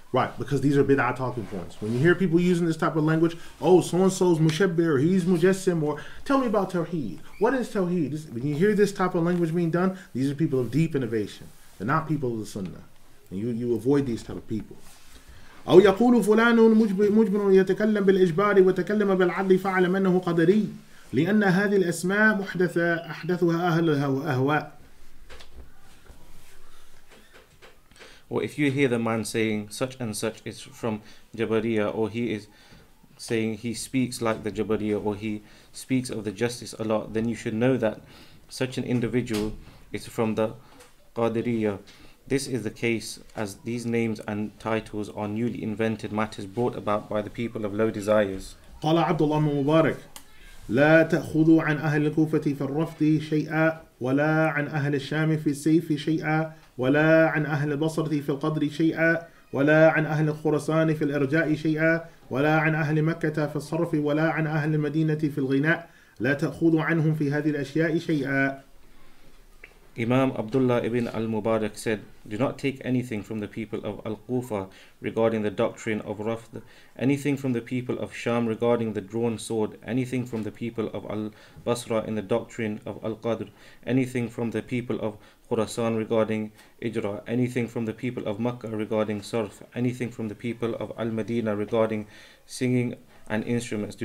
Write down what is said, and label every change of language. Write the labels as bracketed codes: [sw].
[en] Right, because these are bid'ah talking points. When you hear people using this type of language, oh, so-and-so's Mushabbir, he's Mujassim, or tell me about Tawheed. What is Tawheed? When you hear this type of language being done, these are people of deep innovation. They're not people of the Sunnah. And you avoid these type of people. [ar] أو يقول فلان مجبر يتكلم بالإجبار وتكلم بالعدل فعلم أنه قدري لأن هذه الأسماء محدثة أحدثها أهل الأهواء. [en] Well, if you hear the man saying such and such is from Jabariyyah, or he is saying he speaks like the Jabariyyah, or he speaks of the justice a lot, then you should know that such an individual is from the Qadiriyyah. This is the case as these names and titles are newly invented matters brought about by the people of low desires. [ar] قال عبد الله المبارك لا تأخذوا عن أهل الكوفة في الرفض شيئا ولا عن أهل الشام في السيف شيئا ولا عن أهل البصرة في القدر شيئا ولا عن أهل الخرسان في الإرجاء شيئا ولا عن أهل مكة في الصرف ولا عن أهل المدينة في الغناء لا تأخذوا عنهم في هذه الأشياء شيئا. [en] Imam Abdullah ibn al-Mubarak said, do not take anything from the people of Al-Kufa regarding the doctrine of Rafd, anything from the people of Sham regarding the drawn sword, anything from the people of Al-Basra in the doctrine of Al-Qadr, anything from the people of Khurasan regarding Ijra, anything from the people of Makkah regarding Sarf, anything from the people of Al-Madinah regarding singing and instruments.